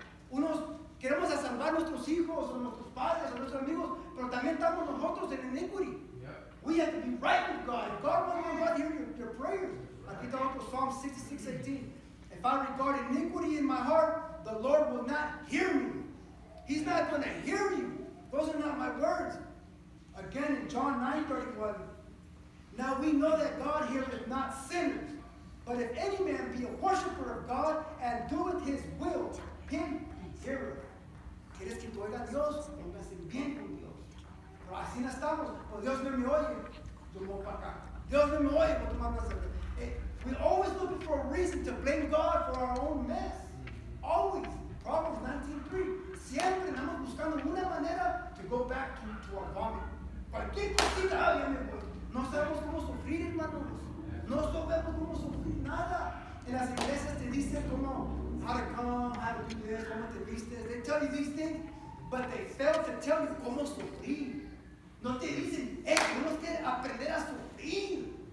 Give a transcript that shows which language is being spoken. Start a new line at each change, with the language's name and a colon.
Spanish: Unos queremos a salvar nuestros hijos o nuestros padres o nuestros amigos, pero también estamos nosotros en iniquity.
English: Yeah. We have to be right with God. If God wants God to hear your prayers.
Spanish: Aquí está otro
English: Psalm 66:18. If I regard iniquity in my heart, the Lord will not hear me. He's not going to hear you. Those are not my words. Again, in John 9:31, now we know that God heareth not sinners, but if any man be a worshiper of God and doeth his will, him he heareth.
Spanish: ¿Quieres que te oiga Dios? Pongas en bien con Dios. Pero así no estamos. Pues Dios no me oye. Yo me voy para acá. Dios no me oye. Pues tú mandas a ver.
English: We always looking for a reason to blame God for our own mess. Always. Proverbs 19:3.
Spanish: Siempre andamos buscando una manera
English: to go back to our vomit.
Spanish: Cualquier cosita, ya me voy. No sabemos cómo sufrir, hermanos. No sabemos cómo sufrir nada. En las iglesias te dicen cómo,
English: how to come, how to do this,
Spanish: cómo te vistes.
English: They tell you these things, but they fail to tell you
Spanish: cómo sufrir. No te dicen, hey, tenemos que aprender a sufrir.